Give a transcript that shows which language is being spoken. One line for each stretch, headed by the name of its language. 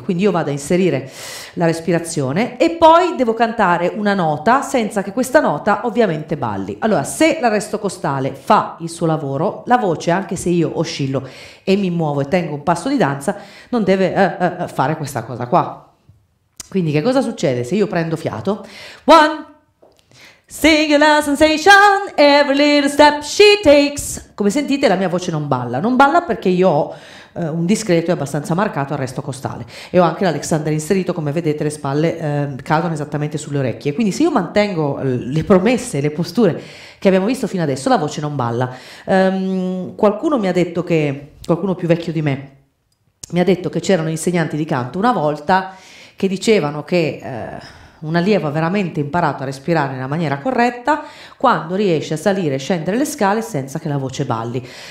Italian: Quindi io vado a inserire la respirazione e poi devo cantare una nota senza che questa nota ovviamente balli. Allora, se l'arresto costale fa il suo lavoro, la voce, anche se io oscillo e mi muovo e tengo un passo di danza, non deve fare questa cosa qua. Quindi che cosa succede se io prendo fiato?
English: One, singular sensation, every little step she takes.
Italian: Come sentite, la mia voce non balla. Non balla perché io ho un discreto e abbastanza marcato arresto costale. E ho anche l'Alexander inserito, come vedete, le spalle cadono esattamente sulle orecchie. Quindi se io mantengo le promesse, le posture che abbiamo visto fino adesso, la voce non balla. Qualcuno mi ha detto che, qualcuno più vecchio di me, mi ha detto che c'erano insegnanti di canto una volta che dicevano che un allievo ha veramente imparato a respirare nella maniera corretta quando riesce a salire e scendere le scale senza che la voce balli.